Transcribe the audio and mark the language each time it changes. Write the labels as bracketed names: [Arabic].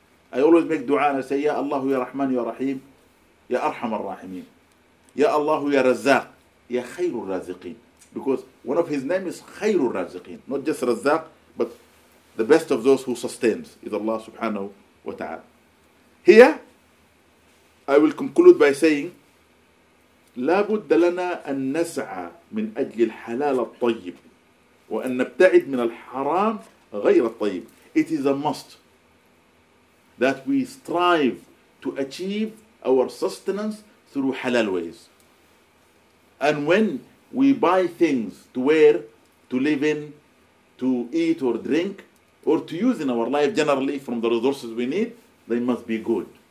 [English] I always make dua and I say, Ya Allah, Ya Rahman, Ya Rahim, Ya Arham al-Rahimin. Ya Allah, Ya Razzaq, Ya Khayrul Razziqin. Because one of his name is Khayrul Razziqin. Not just Razzaq, but the best of those who sustains is Allah subhanahu wa ta'ala. Here, I will conclude by saying, [Arabic] لا بد لنا أن نسعى من أجل الحلال الطيب وأن نبتعد من الحرام غير الطيب. [English] It is a must that we strive to achieve our sustenance through halal ways. And when we buy things to wear, to live in, to eat or drink, or to use in our life generally from the resources we need, they must be good.